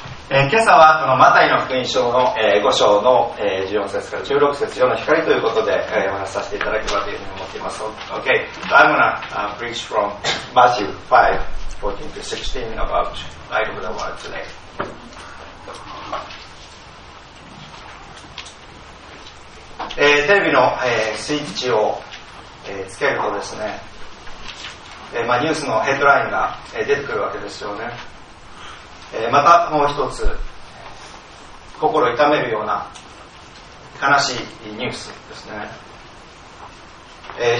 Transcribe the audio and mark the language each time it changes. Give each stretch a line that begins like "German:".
Japanese: 今朝はこのマタイの福音書の5章の14節から16節用の光ということでお話しさせていただければというふうに思っています。
English: Okay, so I'm going to preach from Matthew 5:14 to 16 about light of the world today.
Japanese: テレビの、スイッチを、つけるとですね、ニュースのヘッドラインが、出てくるわけですよね。またもう一つ心痛めるような悲しいニュースですね。